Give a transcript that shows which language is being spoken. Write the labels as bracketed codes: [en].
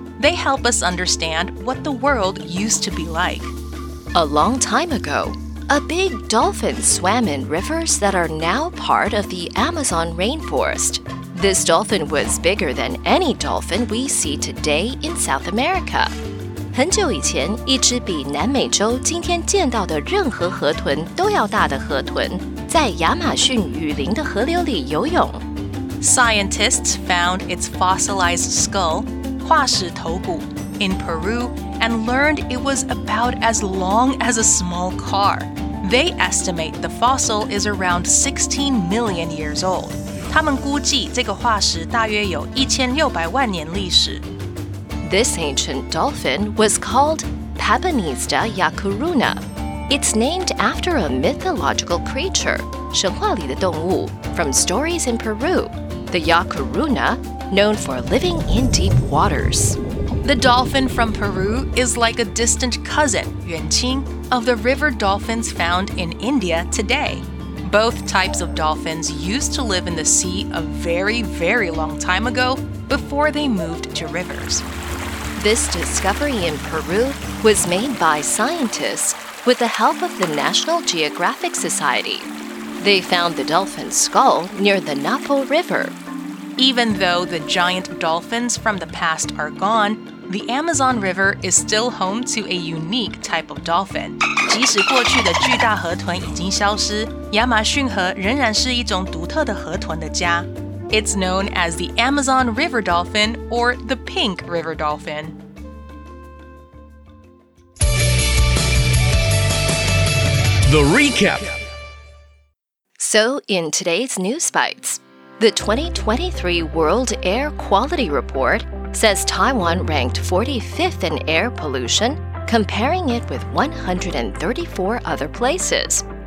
[en] They help us understand what the world used to be like. A long time ago, a big dolphin swam in rivers that are now part of the Amazon rainforest. This dolphin was bigger than any dolphin we see today in South America. [zh] 很久以前，一只比南美洲今天见到的任何河豚都要大的河豚，在亚马逊雨林的河流里游泳。 [en] Scientists found its fossilized skull. [zh] 化石头骨 [en] in Peru and learned it was about as long as a small car. They estimate the fossil is around 16 million years old. [zh] 他们估计这个化石大约有1600万年历史。 [en] This ancient dolphin was called Papanista Yakuruna. It's named after a mythological creature, [zh] 神话里的动物, [en] from stories in Peru. The Yakuruna,known for living in deep waters. The dolphin from Peru is like a distant cousin, Yuanqing, of the river dolphins found in India today. Both types of dolphins used to live in the sea a very, very long time ago before they moved to rivers. This discovery in Peru was made by scientists with the help of the National Geographic Society. They found the dolphin's skull near the Napo River. Even though the giant dolphins from the past are gone, the Amazon River is still home to a unique type of dolphin. [zh] 即使过去的巨大河豚已经消失，亚马逊河仍然是一种独特的河豚的家。 [en] It's known as the Amazon River Dolphin or the Pink River Dolphin. The Recap. So, in today's News Bites, the 2023 World Air Quality Report says Taiwan ranked 45th in air pollution, comparing it with 134 other places.